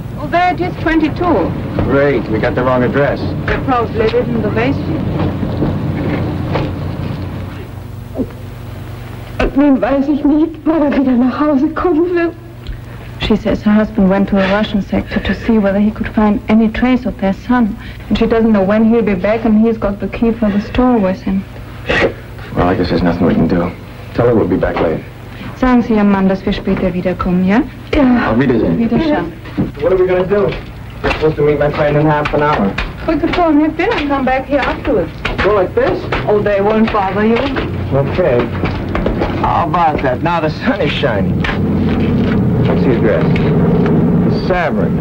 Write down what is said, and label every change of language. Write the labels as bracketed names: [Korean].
[English] There it is, 22. Great, we got the wrong address. They probably live in the basement. [German] Nun weiß ich nicht, wann er wieder nach Hause kommen will. [English] She says her husband went to the Russian sector to see whether he could find any trace of their son. And she doesn't know when he'll be back, and he's got the key for the store with him. Well, I guess there's nothing we can do. Tell her we'll be back late. [German] Sagen Sie Ihrem Mann, dass wir später wiederkommen, ja? Ja. Auf Wiedersehen. Wiedersehen. [English] What are we going to do? We're supposed to meet my friend in half an hour. We could phone him in and come back here afterwards. Go like this? Oh, they won't bother you. Okay. How about that? Now the sun is shining. What's the address? The Savern.